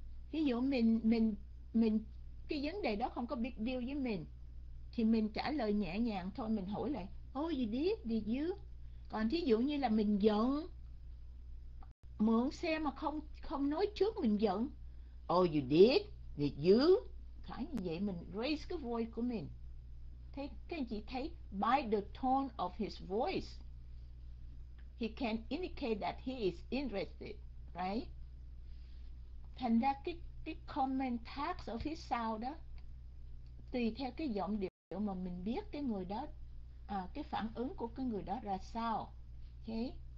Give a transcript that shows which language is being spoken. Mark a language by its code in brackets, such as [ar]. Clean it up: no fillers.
[vi] Thí dụ mình cái vấn đề đó không có [en] big deal [vi] với mình, thì mình trả lời nhẹ nhàng thôi, mình hỏi lại, [en] oh you did, did you? [vi] Còn thí dụ như là mình giận, mượn xe mà không nói trước, mình giận, [en] oh you did, did you? [vi] Phải như vậy, mình raise cái voice của mình. Thế các anh chị thấy, [en] by the tone of his voice, he can indicate that he is interested, right? [vi] Thành ra cái comment tag ở phía sau đó, tùy theo cái giọng điệu mà mình biết cái người đó, cái phản ứng của cái người đó ra sao. Okay.